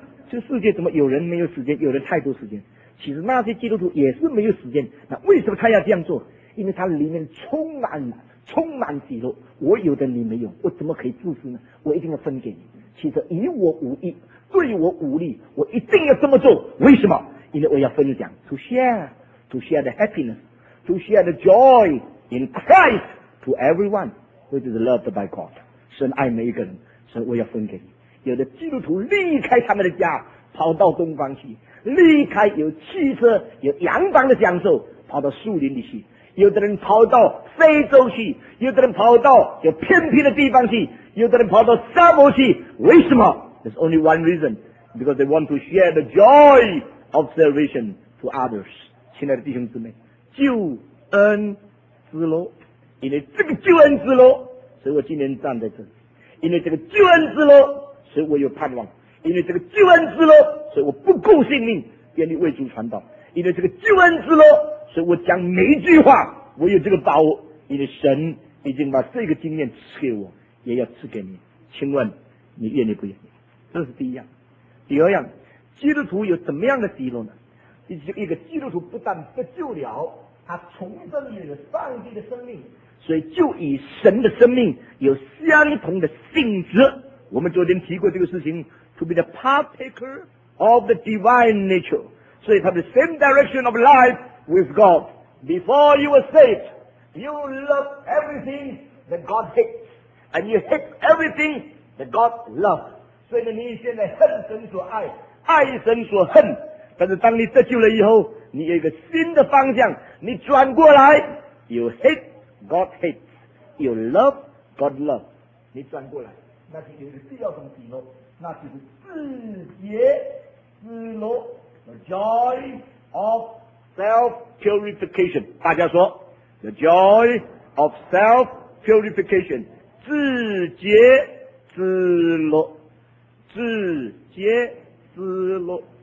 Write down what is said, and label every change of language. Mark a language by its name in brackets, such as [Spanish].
[Chinese] 这世界怎么有人没有时间，有人太多时间？其实那些基督徒也是没有时间，那为什么他要这样做？因为他里面充满喜乐，我有的你没有，我怎么可以自私呢？我一定要分给你。其实以我无益，对我无力，我一定要这么做。为什么？因为我要分享 [English] to share the happiness, to share the joy in Christ to everyone who is loved by God。 [Chinese] 神爱每一个人，所以我要分给你。有的基督徒离开他们的家，跑到东方去，离开有汽车有阳光的享受，跑到树林里去，有的人跑到非洲去，有的人跑到有偏僻的地方去，有的人跑到沙漠去。为什么？ [English] There's only one reason, because they want to share the joy of salvation to others. [Chinese] 亲爱的弟兄姊妹，救恩之乐，因为这个救恩之乐，所以我今天站在这里。因为这个救恩之乐，所以我有盼望。因为这个救恩之乐，所以我不顾性命，愿意为主传道。因为这个救恩之乐，所以我讲每一句话，我有这个把握，因为神已经把这个经验赐给我，也要赐给你。请问你愿意不愿意？这是第一样。第二样，基督徒有怎么样的喜乐呢？一个基督徒不但得救了，他重生有上帝的生命，所以就与神的生命有相同的性质。我们昨天提过这个事情， [English] To be the partaker of the divine nature， [Chinese] 所以他的 [English] same direction of lifeWith God, before you were saved, you loved everything that God hates, and you hate everything that God loves. [Chinese] 所以你现在恨神所爱，爱神所恨。但是当你得救了以后，你有一个新的方向，你转过来， [English] you hate God hates, you love God loves. [Chinese] 你转过来，那就有一个第二种喜乐，那就是自洁之乐 ， [English] the joy of Self-purification， [Chinese] 大家说 ， [English] the joy of self-purification， [Chinese] 自洁之乐，自洁之乐。